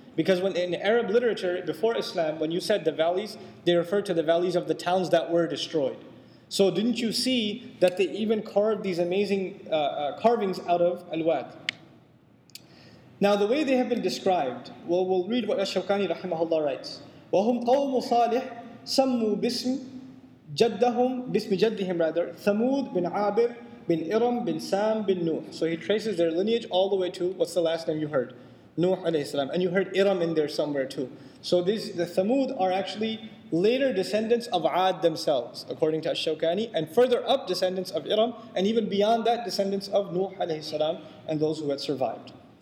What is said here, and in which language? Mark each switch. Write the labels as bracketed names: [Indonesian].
[English] Because when in Arab literature, before Islam, when you said the valleys, they referred to the valleys of the towns that were destroyed. So didn't you see that they even carved these amazing carvings out of Al-Wad? Now the way they have been described, well, we'll read what Ash-Shawkani rahimahullah writes. [Arabic] وَهُمْ قَوْمُ صَالِحٍ سَمُّوا بِسْمِ جَدِّهِمْ ثَمُود بِنْ عَابِرْ bin Iram, bin Sam, bin Nuh. [English] So he traces their lineage all the way to, what's the last name you heard? Nuh alayhi salam. And you heard Iram in there somewhere too. So these, the Thamud are actually later descendants of Ad themselves, according to Ash-Shawkani, and further up descendants of Iram, and even beyond that descendants of Nuh alayhi salam and those who had survived.